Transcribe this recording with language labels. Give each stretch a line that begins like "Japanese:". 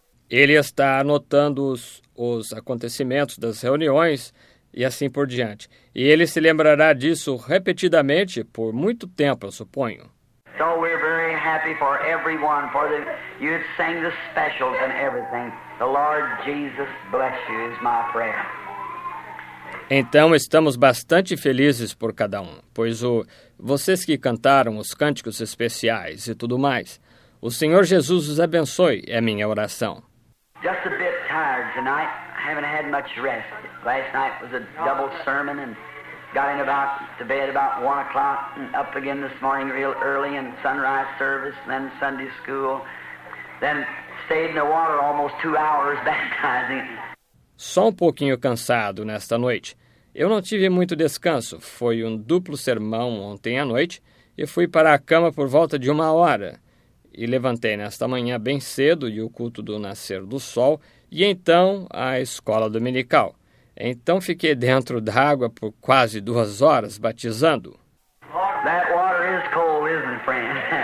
Portuguese: Ele está anotando os acontecimentos das reuniões e assim por diante. E ele se lembrará disso repetidamente por muito tempo, eu suponho.
English: So we're very happy for everyone, for the you sang the specials and everything. The Lord Jesus bless you is my prayer.
Portuguese: Então estamos bastante felizes por cada um, pois vocês que cantaram os cânticos especiais e tudo mais, o Senhor Jesus os abençoe, é minha oração.
English: Just a bit tired tonight. I haven't had much rest. Last night was a double sermon and got in about to bed about 1 o'clock and up again this morning real early in sunrise service, then Sunday school, then stayed in the water almost 2 hours baptizing.
Portuguese: Só um pouquinho cansado nesta noite. Eu não tive muito descanso. Foi um duplo sermão ontem à noite e fui para a cama por volta de 1 hora. E levantei nesta manhã bem cedo e o culto do nascer do sol e então a escola dominical. Então fiquei dentro d'água por quase 2 horas batizando.
English: That water is cold, isn't it, friend?